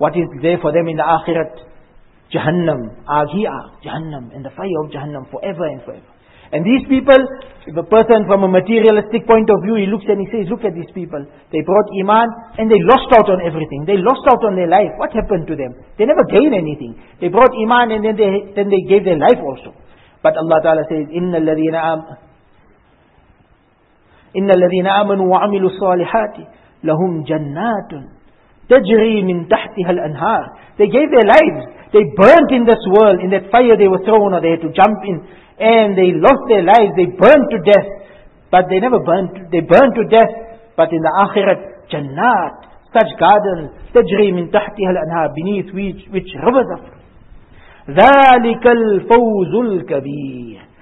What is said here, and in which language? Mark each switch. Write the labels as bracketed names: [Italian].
[English] What is there for them in the Akhirat? Jahannam, Aghi'a, Jahannam, and the fire of Jahannam forever and forever. And these people, if a person from a materialistic point of view, he looks and he says, look at these people. They brought iman and they lost out on everything. They lost out on their life. What happened to them? They never gained anything. They brought iman and then they gave their life also. But Allah Ta'ala says, [Arabic] إِنَّ الَّذِينَ آمَنُوا إِنَّ الَّذِينَ آمَنُوا وَعَمِلُوا الصَّالِحَاتِ لَهُمْ جَنَّاتٌ تَجْرِي مِنْ تَحْتِهَا الْأَنْهَارِ. [English] They gave their lives. They burnt in this world. In that fire they were thrown, or they had to jump in. And they lost their lives. They burnt to death. But they never burnt. They burnt to death. But in the Akhirat, Jannat, such gardens, [Arabic] تَجْرِي مِنْ تَحْتِهَا الْأَنْهَارِ, [English] beneath which rivers of [Arabic] ذَلِكَ الْفَوْزُ الْكَبِيرِ.